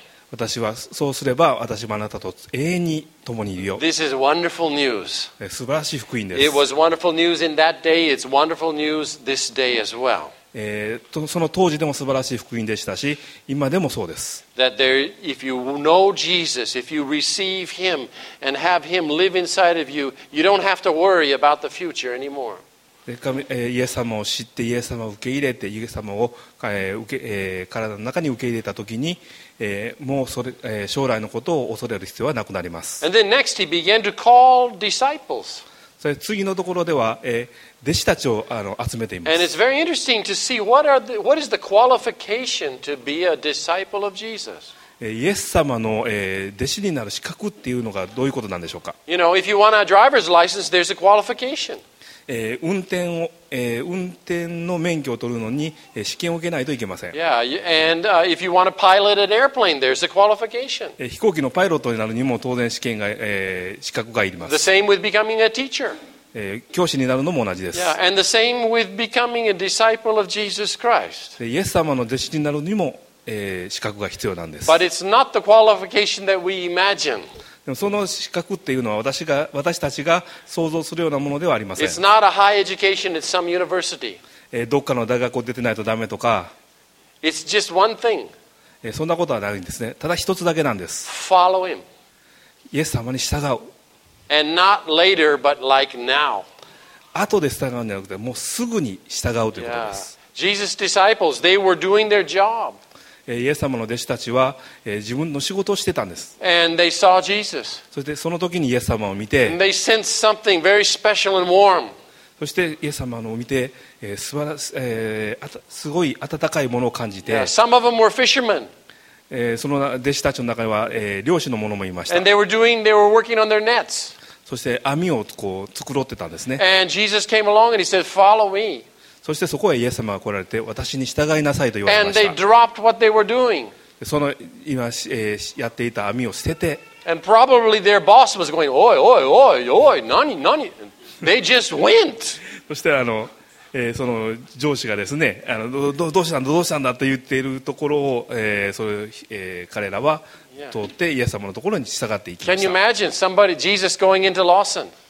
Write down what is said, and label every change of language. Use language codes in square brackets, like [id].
[ja] 私はそうすれば私もあなたと永遠に共にいるよ。 [en] This is wonderful news. [ja] 素晴らしい福音です。 [en] It was wonderful news in that day. It's wonderful news this day as well. [ja] その当時でも素晴らしい福音でしたし今でもそうです。 [en] That there, if you know Jesus, if you receive him and have him live inside of you, you don't have to worry about the future anymore. [ja] イエス様を知ってイエス様を受け入れてイエス様を体の中に受け入れた時にもうそれ将来のことを恐れる必要はなくなります。 [en] And then next he began to call disciples. [ja] それ次のところでは、弟子たちを集めています。 [en] And it's very interesting to see what is the qualification to be a disciple of Jesus. [ja] イエス様の、弟子になる資格っていうのがどういうことなんでしょうか。 [en] You know, if you want a driver's license, there's a qualification. [ja] 運転の免許を取るのに、試験を受けないといけません。 [en] Yeah, and if you want to pilot an airplane, there's a qualification. [ja] 飛行機のパイロットになるにも当然試験が、資格がいります。 [en] The same with becoming a teacher. [ja] 教師になるのも同じです。 [en] Yeah, and the same with becoming a disciple of Jesus Christ. [ja] イエス様の弟子になるにも、資格が必要なんです。 [en] But it's not the qualification that we imagine. [ja] でもその資格っていうのは私たちが想像するようなものではありません。 [en] It's not a high education at some university. [ja] どっかの大学を出てないとダメとか。 [en] It's just one thing. [ja] そんなことはないんですね。ただ一つだけなんです。 [en] Follow him. [ja] イエス様に従う。 [en] And not later, but like now. [ja] 後で従うんじゃなくて、もうすぐに従うということです。 [en] Yeah. Jesus' disciples, they were doing their job. [ja] イエス様の弟子たちは自分の仕事をしてたんです。 [en] And they saw Jesus. [ja] そしてその時にイエス様を見て、 [en] and they sensed something very special and warm. [ja] そしてイエス様のを見て、すごい温かいものを感じて、 [en] yeah, some of them were fishermen. [ja] その弟子たちの中には、漁師の者もいました。 [en] And they were working on their nets. [ja] そして網をこう繕ってたんですね。 [en] And Jesus came along and he said, "Follow me." [ja] そしてそこへイエス様が来られて私に従いなさいと言われました。その今、やっていた網を捨てて、 [en] and probably their boss was going, "Oi, oi, oi, oi, [ja] 何, 何?" [en] They just went. [ja] そしてその上司がですね、どうしたんだどうしたんだと言っているところを、彼らは通ってイエス様のところに従っていきました。 [en] Can you imagine somebody, Jesus going into Lawson?